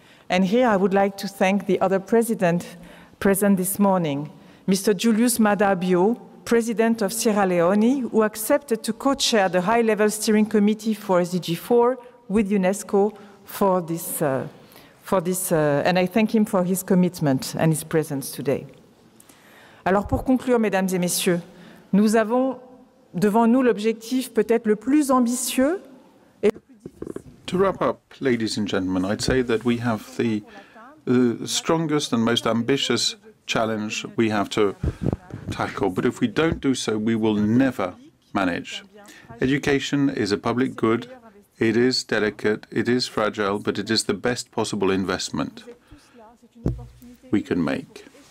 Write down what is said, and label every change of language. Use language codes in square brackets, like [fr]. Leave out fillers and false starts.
[en] And here I would like to thank the other president present this morning, Mr. Julius Maada Bio, President of Sierra Leone, who accepted to co-chair the High-Level Steering Committee for SDG4 with UNESCO and I thank him for his commitment and his presence today. [fr] Alors pour conclure, mesdames et messieurs, nous avons devant nous l'objectif peut-être le plus ambitieux et le plus difficile. [en] To wrap up, ladies and gentlemen, I'd say that we have the strongest and most ambitious challenge we have to tackle. But if we don't do so, we will never manage. Education is a public good. It is delicate. It is fragile. But it is the best possible investment we can make.